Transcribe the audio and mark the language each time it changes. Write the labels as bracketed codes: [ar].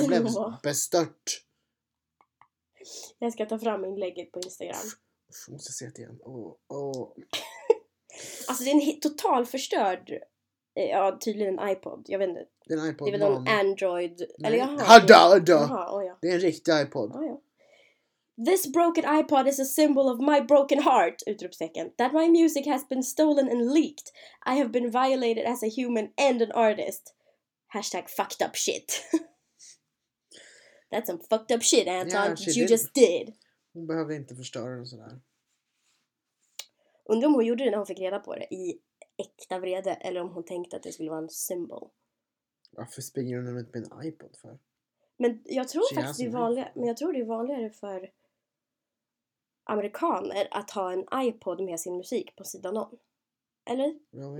[sv] jag blev bestört. Jag ska ta fram inlägget på Instagram. Jag måste se det igen. Oh. Alltså, det är en total förstörd... Ja, tydligen en iPod. Jag vet inte. Det är en iPod. Det är väl någon Android... Nej. Eller jaha. Hadda. Jaha, oh ja. Det är en riktig iPod. Oh ja. [en] This broken iPod is a symbol of my broken heart, utropstecken, that my music has been stolen and leaked. I have been violated as a human and an artist. Hashtag fucked up shit. That's some fucked up shit, Anton, yeah, you just did. [sv] Hon behöver inte förstöra den sådär. Undrar om hon gjorde det när hon fick reda på det, i äkta vrede, eller om hon tänkte att det skulle vara en symbol. Varför springer hon med min iPod för? Men jag tror faktiskt det är vanligare, men jag tror det är vanligare för amerikaner att ha en iPod med sin musik på sidan om. Eller? Mm.